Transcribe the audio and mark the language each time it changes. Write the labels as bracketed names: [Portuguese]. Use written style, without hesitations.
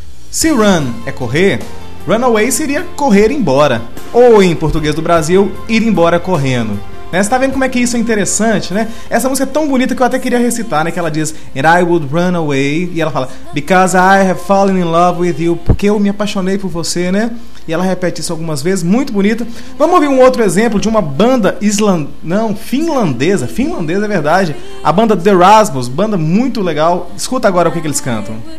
[Portuguese] Se run é correr, runaway seria correr embora. Ou em português do Brasil, ir embora correndo. Né? Você tá vendo como é que isso é interessante, né? Essa música é tão bonita que eu até queria recitar, né? Que ela diz, [English] and I would run away. [Portuguese] E ela fala, [English] because I have fallen in love with you. [Portuguese] Porque eu me apaixonei por você, né? E ela repete isso algumas vezes, muito bonita. Vamos ouvir um outro exemplo de uma banda finlandesa. Finlandesa é verdade. A banda The Rasmus, banda muito legal. Escuta agora o que eles cantam.